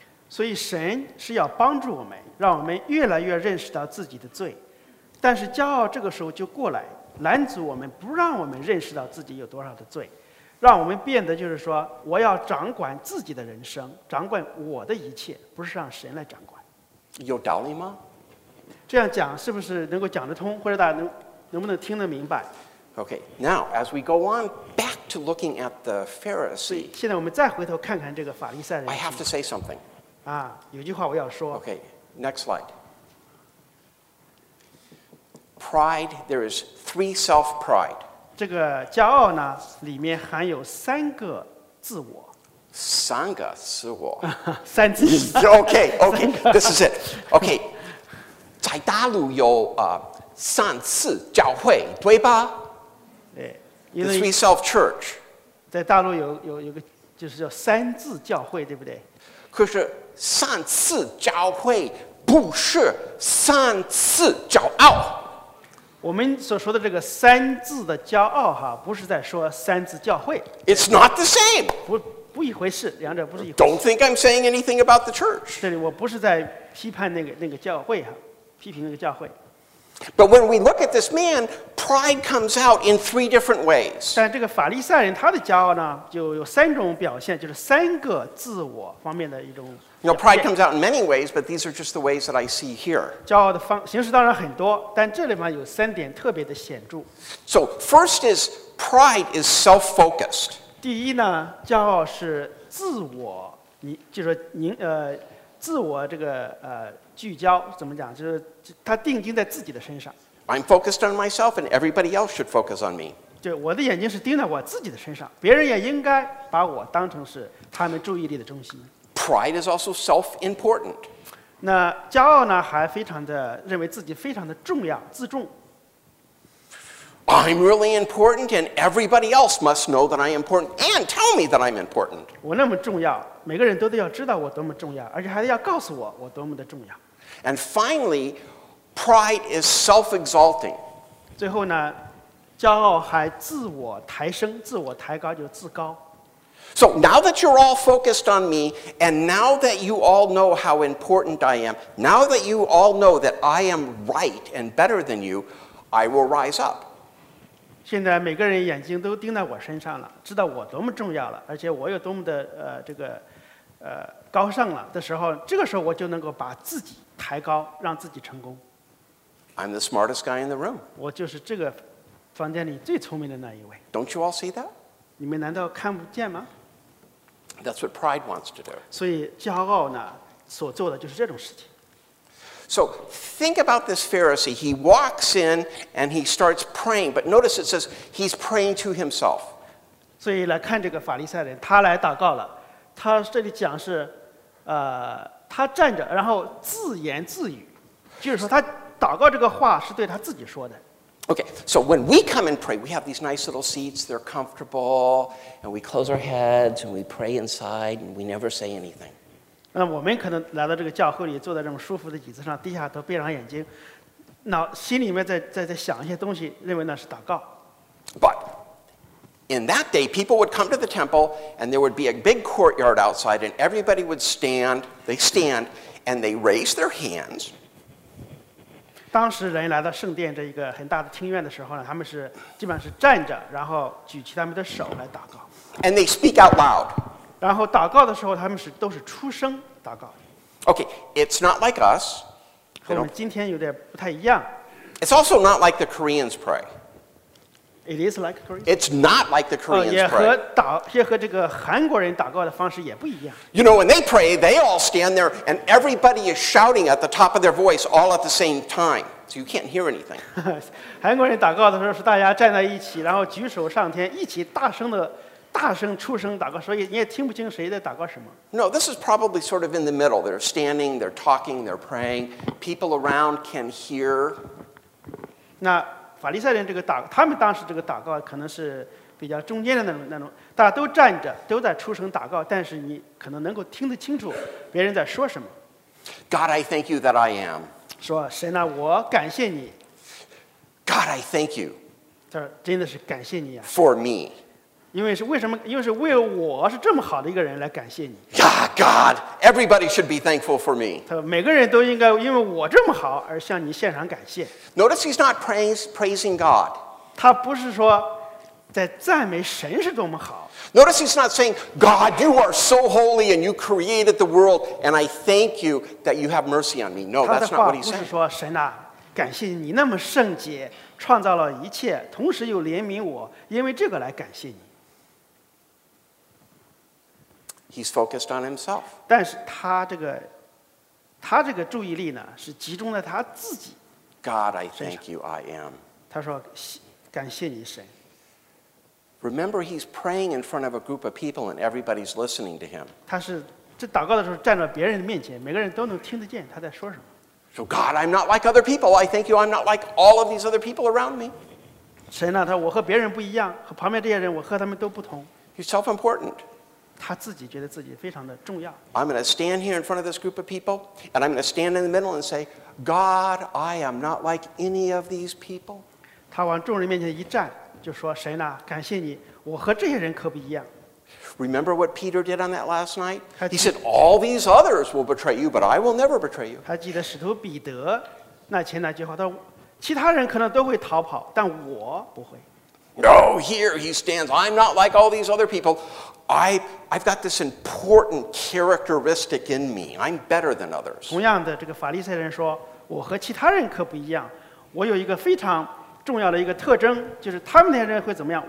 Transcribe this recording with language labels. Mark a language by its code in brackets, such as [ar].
[zh] 所以神是要帮助我们，让我们越来越认识到自己的罪，但是骄傲这个时候就过来。拦阻我们，不让我们认识到自己有多少的罪，让我们变得就是说，我要掌管自己的人生，掌管我的一切，不是让神来掌管。有道理吗？这样讲是不是能够讲得通，或者大家 能不能听得明白？ [en] Okay, now as we go on back to looking at the Pharisee, [zh] 现在我们再回头看看这个法利赛人。 [en] I have to say something. [zh] 啊，有句话我要说。 [en] Okay, next slide. Pride, there is three self-pride. [zh] 这个骄傲呢，里面含有三个自我。三个自我。三自 [en] 我。Okay, okay, this is it. Okay. [zh] 在大陆有三次教会，对吧？对 [en] ，The Three Self Church。 [zh] 在大陆有个就是叫三字教会，对不对？可是三次教会不是三次骄傲。我们所说的这个三字的骄傲哈，不是在说三字教会。 [en] It's not the same。 [zh] 不一回事，两者不是一回事。 [en] Don't think I'm saying anything about the church。 [zh] 这里我不是在批判那个教会哈。批评那个教会。 [en] But when we look at this man, pride comes out in three different ways. [zh] 但这个法利赛人他的骄傲呢，就有三种表现，就是三个自我方面的一种表现。 [en] You know, pride comes out in many ways, but these are just the ways that I see here. [zh] 骄傲的形式当然很多，但这里面有三点特别的显著。 [en] So first is pride is self-focused. [zh] 第一呢，骄傲是自我，就是您自我这个聚焦，怎么讲，就是他定睛在自己的身上。 [en] I'm focused on myself and everybody else should focus on me. [zh] 就我的眼睛是盯在我自己的身上，别人也应该把我当成是他们注意力的中心。 [en] Pride is also self-important. [zh] 那骄傲呢，还非常的认为自己非常的重要，自重。 [en] I'm really important and everybody else must know that I'm important and tell me that I'm important. [zh] 我那么重要，每个人都得要知道我多么重要，而且还得要告诉我多么的重要。 [en] And finally, pride is self-exalting. [zh] 最后呢，骄傲还自我抬升，自我抬高就自高。 [en] So now that you're all focused on me, and now that you all know how important I am, now that you all know that I am right and better than you, I will rise up. [zh] 现在每个人眼睛都盯在我身上了，知道我多么重要了，而且我有多么的高尚了的时候，这个时候我就能够把自己抬高，让自己成功。 [en] I'm the smartest guy in the room. [zh] 我就是这个房间里最聪明的那一位。 [en] Don't you all see that? [zh] 你们难道看不见吗？ [en] That's what pride wants to do. [zh] 所以骄傲呢，所做的就是这种事情。 [en] So think about this Pharisee. He walks in and he starts praying. But notice it says he's praying to himself. [zh] 所以来看这个法利赛人，他来祷告了。他这里讲是，他站着，然后自言自语，就是说他祷告这个话是对他自己说的。 [en] Okay, so when we come and pray, we have these nice little seats. They're comfortable, and we close our heads and we pray inside, and we never say anything. [zh] 那我们可能来到这个教会里，坐在这么舒服的椅子上，低下头，闭上眼睛，脑心里面在想一些东西，认为那是祷告。 [en] But in that day, people would come to the temple, and there would be a big courtyard outside, and everybody would stand. They stand, and they raise their hands. [zh] 当时人来到圣殿这一个很大的庭院的时候呢，他们是基本上是站着，然后举起他们的手来祷告。 [en] And they speak out loud. [zh] 然后祷告的时候，他们都是出声祷告。 [en] Okay, it's not like us. [zh] 和我们今天有点不太一样。 [en] It's also not like the Koreans pray. It is like Korean. It's not like the Koreans pray. [zh] 也和这个韩国人祷告的方式也不一样。 [en] You know, when they pray, they all stand there and everybody is shouting at the top of their voice all at the same time. So you can't hear anything. [zh] 韩国人祷告的时候是大家站在一起，然后举手上天，一起大声出声祷告，所以你也听不清谁在祷告什么。 [en] No, this is probably sort of in the middle. They're standing, they're talking, they're praying. People around can hear. [zh] 那法利赛人这个祷，他们当时这个祷告可能是比较中间的那种，大家都站着，都在出声祷告，但是你可能能够听得清楚别人在说什么。 [en] God, I thank you that I am. [zh] 说神啊，我感谢你。 [en] God, I thank you. [zh] 他说真的是感谢你啊。 [en] For me. [zh] 因为是为什么？因为是为我是这么好的一个人来感谢你。 [en] Yeah, God, everybody should be thankful for me. [zh] 他每个人都应该因为我这么好而向你献上感谢。 [en] Notice he's not praising God. [zh] 他不是说在赞美神是多么好。 [en] Notice he's not saying, God, you are so holy and you created the world and I thank you that you have mercy on me. No, that's not what he's saying. [zh] 不是说神啊，感谢你那么圣洁，创造了一切，同时又怜悯我，因为这个来感谢你。 [en] He's focused on himself. [zh] 但是他这个注意力呢，是集中在他自己。 [en] God, I thank you, I am. [zh] 他说，感谢你神。 [en] Remember, he's praying in front of a group of people, and everybody's listening to him. [zh] 他是这祷告的时候站在别人的面前，每个人都能听得见他在说什么。 [en] So God, I'm not like other people. I thank you. I'm not like all of these other people around me. [zh] 神啊，他我和别人不一样，和旁边这些人，我和他们都不同。 [en] He's self-important. [zh] 他自己觉得自己非常的重要。 [en] I'm going to stand here in front of this group of people, and I'm going to stand in the middle and say, God, I am not like any of these people. [zh] 他往众人面前一站。就说神啊，感谢你，我和这些人可不一样。 [en] Remember what Peter did on that last night? He said, "All these others will betray you, but I will never betray you." [zh] 他记得使徒彼得那前那句话，他说其他人可能都会逃跑，但我不会。 [en] No, here he stands. I'm not like all these other people. I've got this important characteristic in me. I'm better than others. [zh] 同样的，这个法利赛人说，我和其他人可不一样，我有一个非常。重要的一个特征就是他们那些人会怎么样？